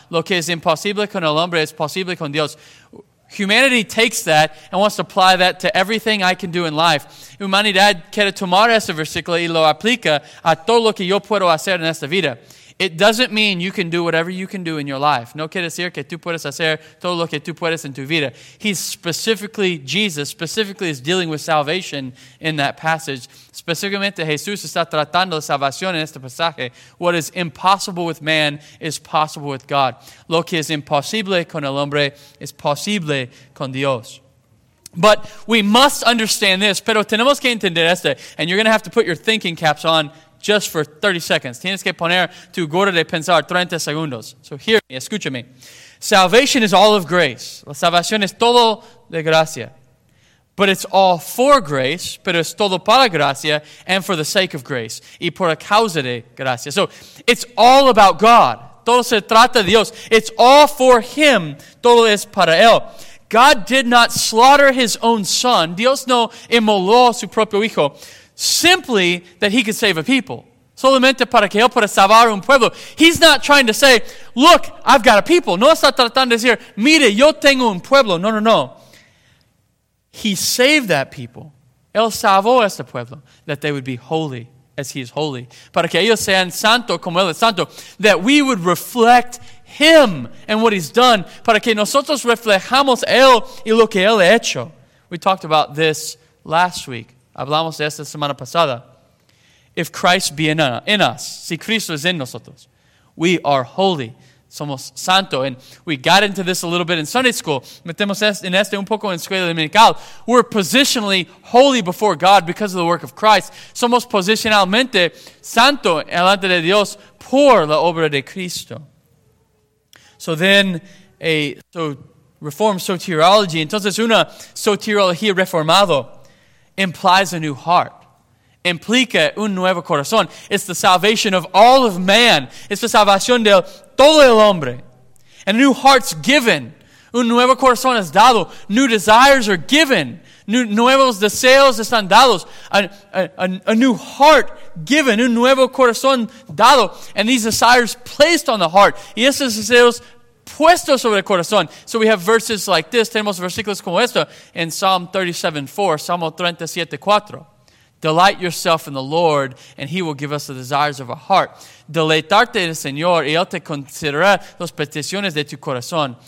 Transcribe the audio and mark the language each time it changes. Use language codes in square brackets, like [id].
[es] Lo que es imposible con el hombre es posible con Dios. [en] Humanity takes that and wants to apply that to everything I can do in life. [es] Humanidad quiere tomar ese versículo y lo aplica a todo lo que yo puedo hacer en esta vida. [en] It doesn't mean you can do whatever you can do in your life. [es] No quiere decir que tú puedes hacer todo lo que tú puedes en tu vida. [en] He's specifically, Jesus specifically is dealing with salvation in that passage. [es] Específicamente, Jesús está tratando la salvación en este pasaje. [en] What is impossible with man is possible with God. [es] Lo que es imposible con el hombre es posible con Dios. [en] But we must understand this. [es] Pero tenemos que entender esto. [en] And you're going to have to put your thinking caps on just for 30 seconds. [es] Tienes que poner tu gorra de pensar 30 segundos. [en] So hear me, escúchame. Salvation is all of grace. [es] La salvación es todo de gracia. [en] But it's all for grace, [es] pero es todo para gracia, [en] and for the sake of grace, [es] y por la causa de gracia. [en] So it's all about God. [es] Todo se trata de Dios. [en] It's all for Him. [es] Todo es para Él. [en] God did not slaughter His own Son. [es] Dios no inmoló a su propio Hijo. [en] Simply that He could save a people. [es] Solamente para que Él pueda salvar un pueblo. [en] He's not trying to say, look, I've got a people. [es] No está tratando de decir, mire, yo tengo un pueblo. [en] No, no, no. He saved that people. [es] Él salvó a este pueblo. [en] That they would be holy as He is holy. [es] Para que ellos sean santo como Él es santo. [en] That we would reflect Him and what He's done. [es] Para que nosotros reflejamos Él y lo que Él ha hecho. [en] We talked about this last week. [es] Hablamos de esta semana pasada. [en] If Christ be in us, [es] si Cristo es en nosotros, [en] we are holy, [es] somos santo. [en] And we got into this a little bit in Sunday school. [es] Metemos en este un poco en escuela dominical. [en] We're positionally holy before God because of the work of Christ. [es] Somos posicionalmente santo delante de Dios por la obra de Cristo. [en] So then, reformed soteriology. [es] Entonces una soteriología reformado [en] implies a new heart. [es] Implica un nuevo corazón. [en] It's the salvation of all of man. It's the [es] salvación de todo el hombre. [en] And a new heart's given. [es] Un nuevo corazón es dado. [en] New desires are given. [es] Nuevos deseos están dados. [en] A new heart given. [es] Un nuevo corazón dado. [en] And these desires placed on the heart. [es] Y estos deseos puesto sobre el corazón. [en] So we have verses like this. [es] Tenemos versículos como esto [en] in Psalm 37:4. Delight yourself in the Lord, and He will give us the desires of our heart. [es] Deleitarte en el Señor, y Él te concederá las peticiones de tu corazón.